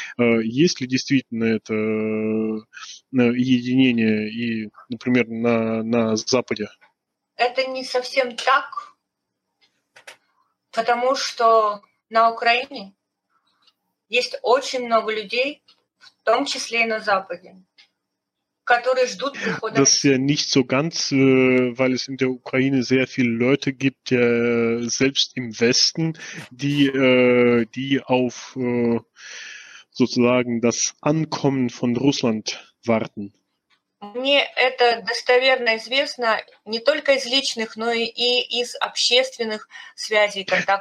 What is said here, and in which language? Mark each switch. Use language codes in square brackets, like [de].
[ru] Есть ли действительно это единение, и, например, на Западе? Это не совсем так, потому что на Украине есть очень много людей, в том числе и на Западе, которые ждут прихода. [de] Das ist ja nicht so ganz, weil es in der Ukraine sehr viele Leute gibt, selbst im Westen, die auf sozusagen das Ankommen von Russland warten. [ru] Мне это достоверно известно не только из личных, но и из общественных связей, контактов.